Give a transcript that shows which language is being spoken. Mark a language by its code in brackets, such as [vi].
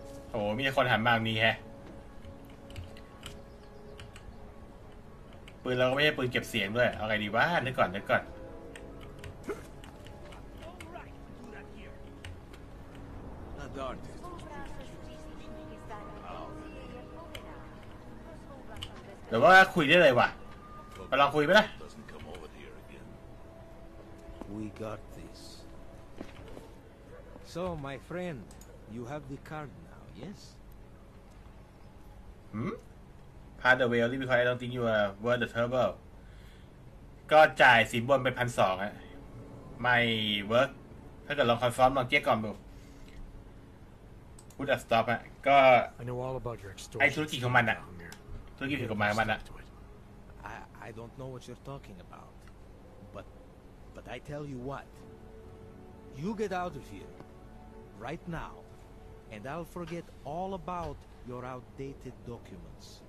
[th] โอ้มีคนหันมากนี้แฮะปืนเราก็ไม่ใช่ปืนเก็บเสียงด้วยเอาไงดีวะนึกก่อนนึกก่อนเดี๋ยวว่าคุยได้เลยว่ะไปลองคุยไหมล่ะ [en] We got this So my friend you have the card now yes Pass the way only because I don't think you are worth the trouble. [th] ก็จ่ายสินบนไป 1,200 อ่ะ ไม่ work. ถ้าเกิดลองคอนฟอร์มลองเกี้ยก่อนดู Would that stop อ่ะ ก็ [en] I know all about your extortion. [th] ไอ้ธุรกิจของมันอ่ะ ธุรกิจของมันอ่ะ [en] I don't know what you're talking about. But I tell you what. You get out of here. right now, and I'll forget all about your outdated documents.